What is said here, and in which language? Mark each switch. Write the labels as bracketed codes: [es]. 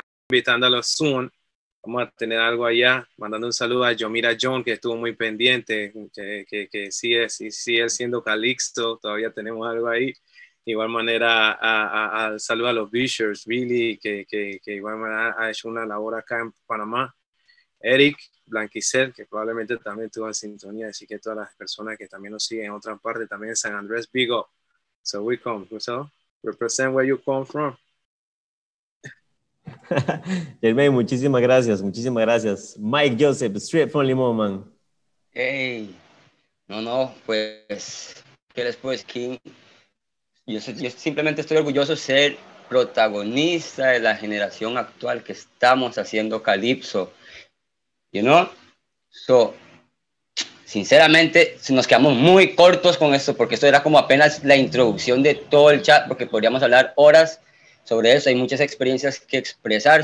[es] Invitándolo [en] soon, [es] vamos a tener algo allá, mandando un saludo a Yomira John, que estuvo muy pendiente, que sigue siendo Calixto, todavía tenemos algo ahí. Igual manera, a saludo a los Bishers, Billy, que igual manera ha hecho una labor acá en Panamá, Eric Blanquicel, que probablemente también estuvo en sintonía, así que todas las personas que también nos siguen en otra parte, también en San Andrés, [en] big up. So we come, so represent where you come from. [es] Germain, muchísimas gracias. [en] Mike Joseph, straight from Limón, man. [es] Hey, no, pues, ¿qué les puedo decir, King? Yo simplemente estoy orgulloso de ser protagonista de la generación actual que estamos haciendo Calypso, [en] you know? [es] So, sinceramente, nos quedamos muy cortos con esto, porque esto era como apenas la introducción de todo el chat, porque podríamos hablar horas sobre eso, hay muchas experiencias que expresar.